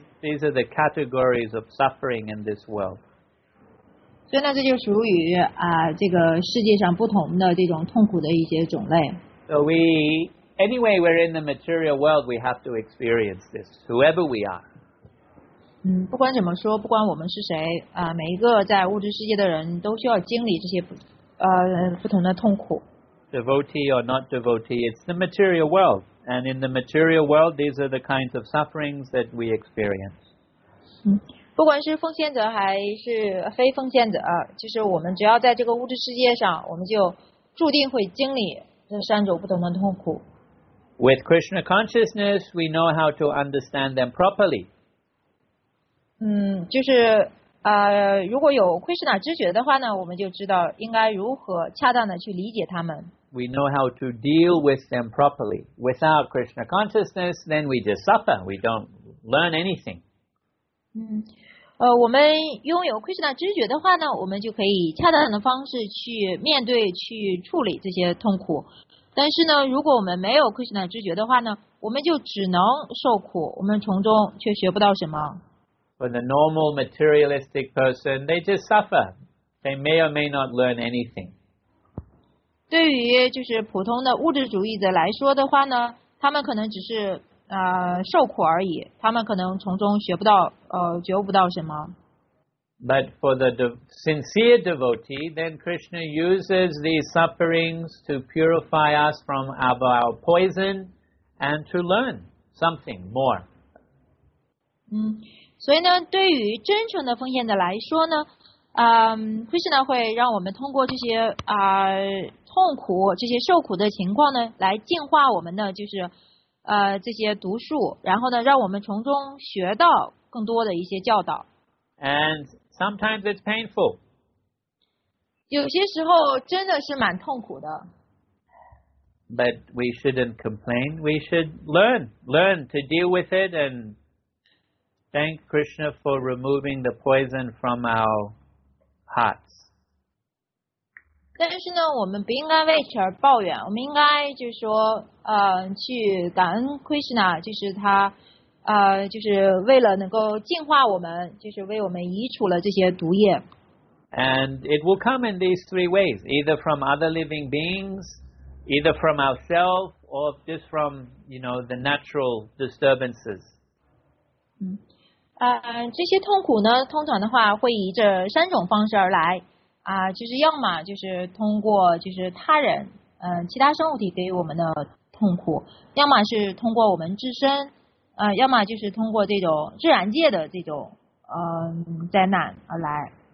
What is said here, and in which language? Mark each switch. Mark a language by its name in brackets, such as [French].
[English] These are the categories of suffering in this world. [Chinese] 所以呢，这就属于这个世界上不同的这种痛苦的一些种类。 [English] So we, anyway, we're in the material world. We have to experience this, whoever we are. [Chinese] 不管怎么说，不管我们是谁每一个在物质世界的人都需要经历这些不同的痛苦。 [English] Devotee or not devotee, it's the material world. And in the material world, these are the kinds of sufferings that we experience. [Chinese] 不管是奉献者还是非奉献者，就是我们只要在这个物质世界上，我们就注定会经历这三种不同的痛苦。 [English] With Krishna consciousness, we know how to understand them properly. [Chinese] 就是如果有 Krishna 知觉的话呢，我们就知道应该如何恰当的去理解他们。 [English] We know how to deal with them properly. Without Krishna consciousness, then we just suffer. We don't learn anything. [Chinese] 我们拥有 Krishna 知觉的话呢，我们就可以恰当的方式去面对、去处理这些痛苦。但是呢，如果我们没有 Krishna 知觉的话呢，我们就只能受苦，我们从中却学不到什么。 [English] For the normal materialistic person, they just suffer. They may or may not learn anything. [Chinese] 对于就是普通的物质主义者来说的话呢，他们可能只是受苦而已，他们可能从中学不到觉悟不到什么。 [English] But for the sincere devotee, then Krishna uses these sufferings to purify us from our poison and to learn something more. [Chinese] 所以呢，对于真诚的奉献者来说呢，Krishna 会让我们通过这些痛苦、这些受苦的情况呢，来净化我们的就是这些毒素，然后呢，让我们从中学到更多的一些教导。 [English] And sometimes it's painful. [Chinese] 有些时候真的是蛮痛苦的。 [English] But we shouldn't complain. We should learn to deal with it and. Thank Krishna for removing the poison from our hearts. [Chinese] 但是呢，我们不应该为此而抱怨，我们应该就是说，去感恩 Krishna， 就是他，就是为了能够净化我们，就是为我们移除了这些毒液。 [English] And it will come in these three ways: either from other living beings, either from ourselves, or just from, you know, the natural disturbances. [Chinese] 这些痛苦呢，通常的话会以这三种方式而来就是要么就是通过就是他人其他生物体给我们的痛苦，要么是通过我们自身，要么就是通过这种自然界的这种灾难而来。